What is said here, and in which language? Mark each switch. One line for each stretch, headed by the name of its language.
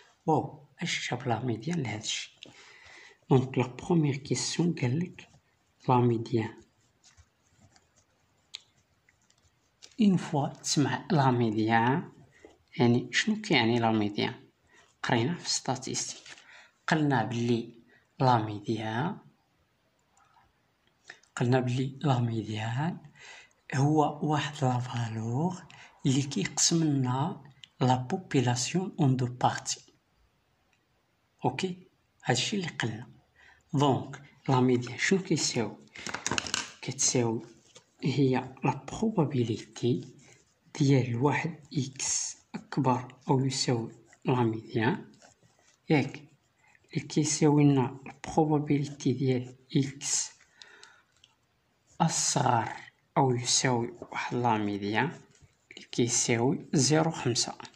French: Wow, je vais la médiane de x. Donc la première question quelle est la médiane? Une fois la médiane,
Arabic: يعني شنو كيعني
French: la médiane?
Arabic: قرينا في statistique. قلنا بلي la médiane. قلنا بلي
French: la médiane
Arabic: هو واحد
French: la valeur
Arabic: اللي كيقسم لنا
French: la population en deux parties.
Arabic: اوكي هادشي اللي قلنا.
French: دونك لا ميديان
Arabic: شنو كيساوي؟ كتساوي هي لا بروبابيليتي ديال واحد اكس اكبر او يساوي لا ميديان، ياك اللي كيساوي لنا لا بروبابيليتي ديال اكس اصغر او يساوي واحد لا ميديان اللي كيساوي 0.5.